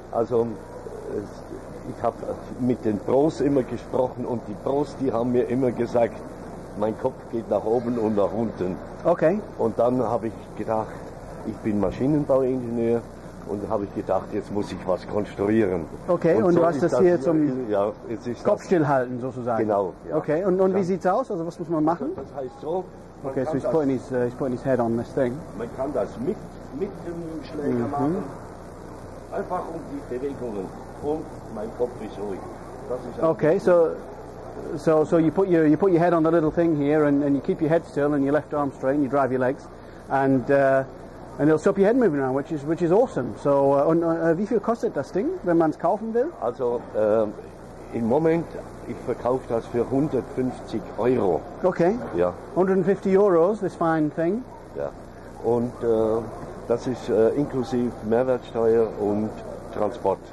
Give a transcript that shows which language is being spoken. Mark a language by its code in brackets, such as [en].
[de] Also, ich habe mit den Pros immer gesprochen und die Pros, die haben mir immer gesagt, mein Kopf geht nach oben und nach unten. Okay. Und dann habe ich gedacht, ich bin Maschinenbauingenieur und habe ich gedacht, jetzt muss ich was konstruieren. Okay, und so du hast das hier zum Kopfstill halten sozusagen. Genau. Ja. Okay, und wie sieht's aus? Also was muss man machen? Das heißt so. [en] Okay, so he's putting his head on this thing. [de] Man kann das mit dem Schläger machen. Einfach um die Bewegungen. Und mein Kopf ist ruhig. Das ist okay, so. [en] So you put your head on the little thing here and you keep your head still and your left arm straight and you drive your legs and it'll stop your head moving around, which is awesome. [de] So wie viel kostet das Ding, wenn man es kaufen will? Also im Moment ich verkaufe das für 150 Euro. Okay. Ja. [en] 150 Euros, this fine thing. [de] Ja. Und das ist inklusive Mehrwertsteuer und Transport.